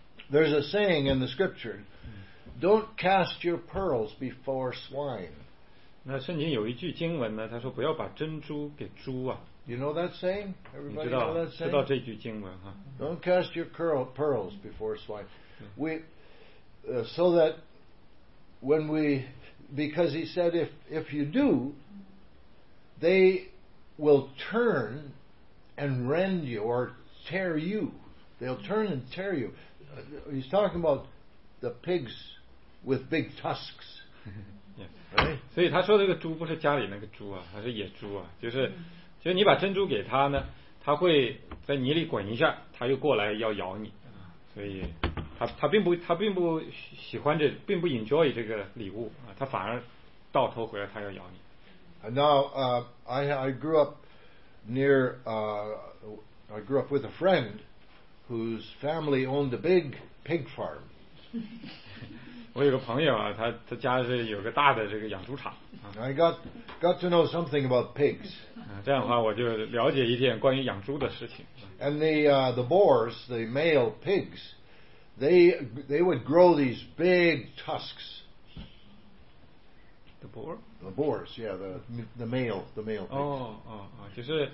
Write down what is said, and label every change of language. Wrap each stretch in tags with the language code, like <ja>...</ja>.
<en>There's a saying in the scripture, don't cast your pearls before swine.</en> <zh>那圣经有一句经文呢，他说不要把珍珠给猪啊。</zh> <en>You know that saying? Everybody know that saying?</en> <zh>知道这句经文哈。</zh> <en>Don't cast your pearls before swine. So that when we, because he said if you do, they will turn and rend you or tear you. They'll turn and tear you. He's talking about the pigs with big tusks. Yeah. Right?</en> <zh>所以他说这个猪不是家里那个猪啊，他是野猪啊，就是你把珍珠给他呢，他会在泥里滚一下，他又过来要咬你。所以他并不喜欢这，并不 enjoy 这个礼物啊，他反而到头回来他要咬你。</zh> <en>Now, I grew up near, I grew up with a friend whose family owned a big pig farm.</en> <zh>我有个朋友啊，他家是有个大的这个养猪场。</zh> <en>I got to know something about pigs.</en> <zh>这样的话我就了解一点关于养猪的事情。</zh> <en>And the boars, the male pigs, they would grow these big tusks. The boar? The boars, yeah, the male pigs.</en>